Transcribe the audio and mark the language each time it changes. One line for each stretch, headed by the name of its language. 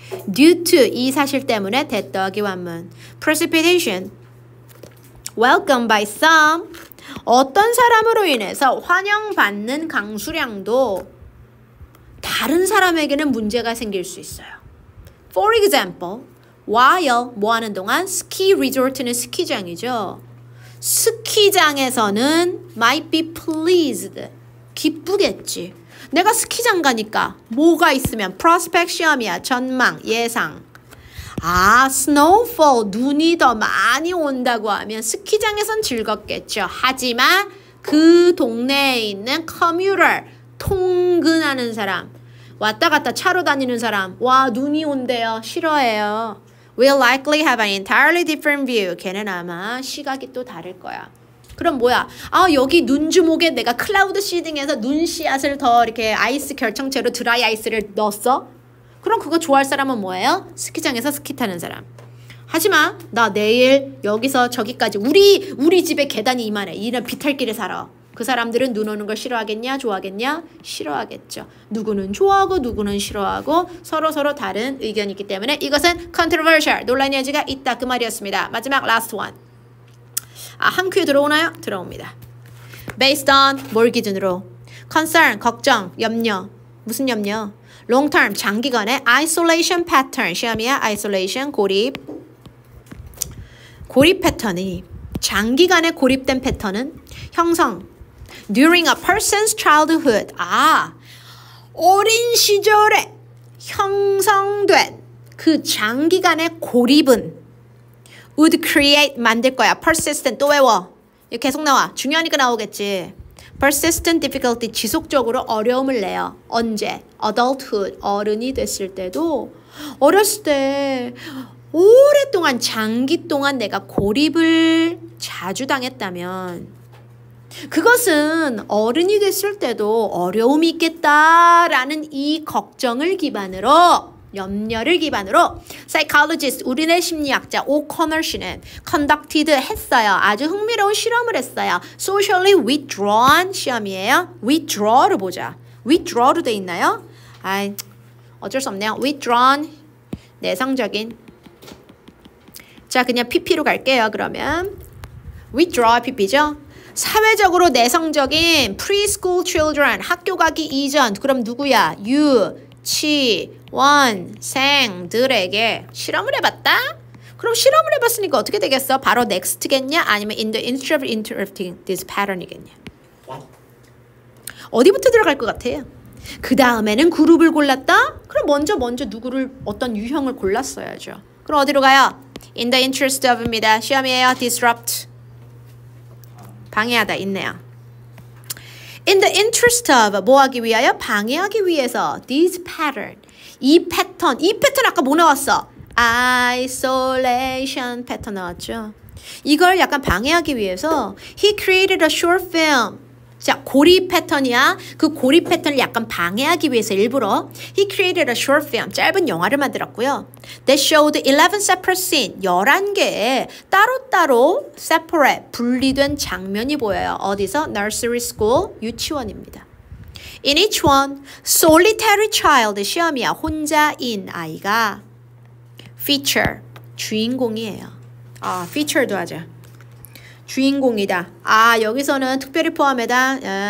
English: due to,
Korean: 이 사실 때문에 대떠기 완문. precipitation,
English: welcome by some,
Korean: 어떤 사람으로 인해서 환영받는 강수량도 다른 사람에게는 문제가 생길 수 있어요.
English: For example, while
Korean: 뭐 하는 동안
English: ski resort는
Korean: 스키장이죠. 스키장에서는
English: might be pleased.
Korean: 기쁘겠지. 내가 스키장 가니까 뭐가 있으면 prospect 시험이야. 전망, 예상. 아, snowfall, 눈이 더 많이 온다고 하면 스키장에선 즐겁겠죠. 하지만 그 동네에 있는 commuter, 통근하는 사람, 왔다 갔다 차로 다니는 사람, 와, 눈이 온대요. 싫어해요.
English: We'll likely have an entirely different view.
Korean: 걔는 아마 시각이 또 다를 거야. 그럼 뭐야? 아, 여기 눈 주목에 내가 클라우드 시딩에서 눈 씨앗을 더 이렇게 아이스 결정체로 드라이 아이스를 넣었어? 그럼 그거 좋아할 사람은 뭐예요? 스키장에서 스키 타는 사람. 하지만 나 내일 여기서 저기까지 우리 집에 계단이 이만해. 이런 비탈길에 살아. 그 사람들은 눈 오는 걸 싫어하겠냐? 좋아하겠냐? 싫어하겠죠. 누구는 좋아하고 누구는 싫어하고 서로 다른 의견이 있기 때문에 이것은 controversial. 논란의 여지가 있다. 그 말이었습니다. 마지막
English: last one.
Korean: 아, 한 큐에 들어오나요? 들어옵니다.
English: Based on
Korean: 뭘 기준으로? Concern, 걱정, 염려. 무슨 염려?
English: Long term,
Korean: 장기간의
English: isolation pattern.
Korean: 시험이야, isolation, 고립. 고립 패턴이, 장기간의 고립된 패턴은 형성.
English: During a person's childhood.
Korean: 아, 어린 시절에 형성된 그 장기간의 고립은
English: would create,
Korean: 만들 거야. Persistent, 또 외워. 이거 계속 나와. 중요하니까 나오겠지.
English: Persistent difficulty,
Korean: 지속적으로 어려움을 내요. 언제? Adulthood, 어른이 됐을 때도 어렸을 때 오랫동안, 장기 동안 내가 고립을 자주 당했다면 그것은 어른이 됐을 때도 어려움이 있겠다라는 이 걱정을 기반으로, 염려를 기반으로 psychologist, 우리네 심리학자 오커널 씨는 conducted 했어요. 아주 흥미로운 실험을 했어요.
English: socially withdrawn
Korean: 시험이에요. withdraw를 보자. withdraw로 돼 있나요? 아이, 어쩔 수 없네요. withdrawn, 내성적인. 자, 그냥 PP로 갈게요. 그러면 withdraw PP죠. 사회적으로 내성적인
English: preschool children,
Korean: 학교 가기 이전, 그럼 누구야? you, 치, 원, 생들에게 실험을 해봤다? 그럼 실험을 해봤으니까 어떻게 되겠어? 바로 next겠냐?
English: 아니면 in the interval interrupting this pattern이겠냐?
Korean: 어디부터 들어갈 것 같아? 그 다음에는 그룹을 골랐다? 그럼 먼저 누구를, 어떤 유형을 골랐어야죠. 그럼 어디로 가요?
English: in the interest of입니다.
Korean: 시험이에요. disrupt. 방해하다. 있네요.
English: in the interest of,
Korean: 뭐 하기 위하여? 방해하기 위해서.
English: this pattern.
Korean: 이 패턴 아까 뭐 나왔어? isolation 패턴 나왔죠. 이걸 약간 방해하기 위해서
English: he created a short film.
Korean: 자, 고립 패턴이야. 그 고립 패턴을 약간 방해하기 위해서 일부러
English: he created a short film,
Korean: 짧은 영화를 만들었고요.
English: that showed 11 separate scenes,
Korean: 11개의 따로따로
English: separate,
Korean: 분리된 장면이 보여요. 어디서?
English: nursery school,
Korean: 유치원입니다.
English: In each one, solitary child,
Korean: 시험이야. 혼자인 아이가 feature, 주인공이에요. 아, feature도 하자. 주인공이다. 아, 여기서는 특별히 포함해다.